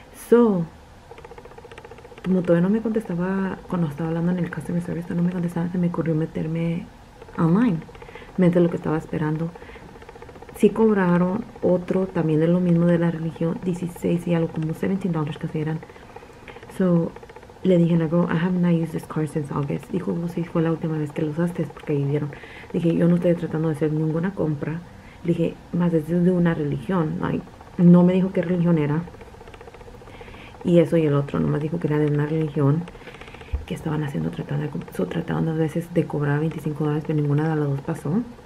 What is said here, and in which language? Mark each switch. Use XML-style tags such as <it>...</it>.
<es>So, como todavía no me contestaba, cuando estaba hablando en el customer service, no me contestaba, se me ocurrió meterme online. Mientras lo que estaba esperando. Sí cobraron otro, también de lo mismo de la religión, $16 y algo como $17 que eran.</es> <en>So,</en> <es>le dije, no,</es> <en>I have not used this card since August.</en> <es>Dijo, oh, sí, fue la última vez que lo usaste, porque ahí vieron. Dije, yo no estoy tratando de hacer ninguna compra. Dije, más es de una religión. No me dijo qué religión era. Y eso y el otro, nomás dijo que era de una religión que estaban haciendo, trataban 2 veces de cobrar $25, pero ninguna de las 2 pasó.</es>